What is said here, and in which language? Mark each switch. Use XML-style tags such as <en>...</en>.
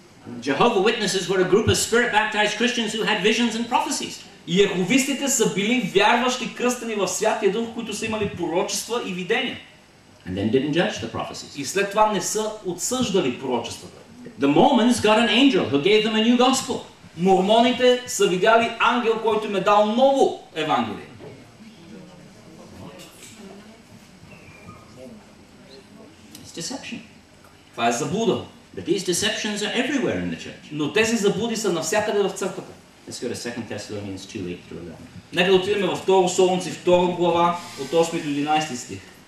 <en>Jehovah's Witnesses were a group of spirit-baptized Christians who had visions and prophecies.</en> <bg>Йеховистите са били вярващи кръстени в Святия Дух, които са имали пророчества и видения.</bg> <en>And then didn't judge the prophecies.</en> <bg>И след това не са отсъждали пророчествата.</bg> <en>The Mormons got an angel who gave them a new gospel.</en> <bg>Мормоните са видяли ангел, който им е дал ново евангелие.</bg> <en>It's deception.</en> <bg>Това е заблуда.</bg> <en>But these deceptions are everywhere in the church.</en> <bg>Но тези заблуди са навсякъде в църквата.</bg> <en>Let's go to 2 Thessalonians 2:8 through 11.</en> <bg>Нека отидем във 2 Солунци, 2 глава, от 8 до 11 стих.</bg>